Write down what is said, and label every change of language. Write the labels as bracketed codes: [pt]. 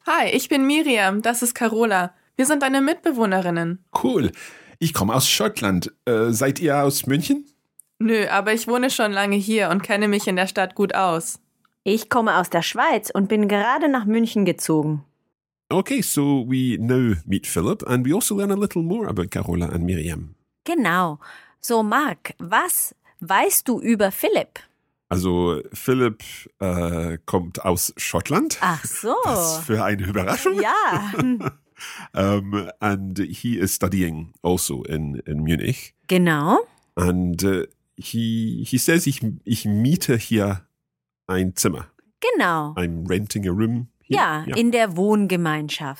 [de] Hi, ich bin Miriam. Das ist Carola. Wir sind deine Mitbewohnerinnen. Cool. Ich komme aus Schottland. Seid ihr aus München? Nö, aber ich wohne schon lange hier und kenne mich in der Stadt gut aus. Ich komme aus der Schweiz und bin gerade nach München gezogen. [en] Okay, so we now meet Philipp and we also learn a little more about Carola and Miriam. [de] Genau. So, Marc, was weißt du über Philipp? Also Philipp kommt aus Schottland. Ach so. Was für eine Überraschung. Ja. [en] And he is studying also in Munich. [de] Genau. [en] And he says, [de] ich miete hier ein Zimmer. Genau. [en] I'm renting a room here. [de] Ja, in der Wohngemeinschaft.